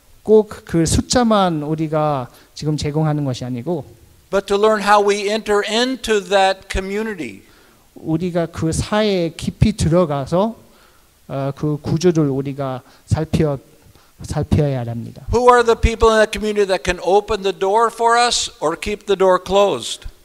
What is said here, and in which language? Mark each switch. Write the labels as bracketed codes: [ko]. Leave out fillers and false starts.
[ko] 꼭 그 숫자만 우리가 지금 제공하는 것이 아니고 [en] but to learn how we enter into that community. [ko] 우리가 그 사회에 깊이 들어가서 그 구조를 우리가 살펴야 합니다. [en] Who are the people in that community that can open the door for us or keep the door closed?